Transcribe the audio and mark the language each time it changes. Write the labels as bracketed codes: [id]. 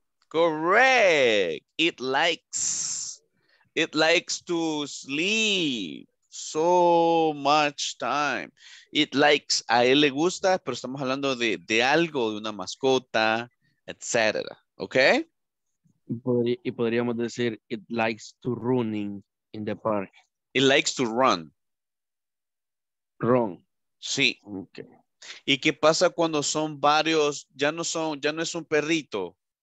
[en] Correct. It likes to sleep so much time. It likes, [es] a él le gusta, pero estamos hablando de algo, de una mascota, etc. [en] Okay? [es] Y podríamos decir, [en] it likes to running in the park. It likes to run. Run. [es] Sí. [en] Okay. [es] ¿Y qué pasa cuando son varios, ya no es un perrito?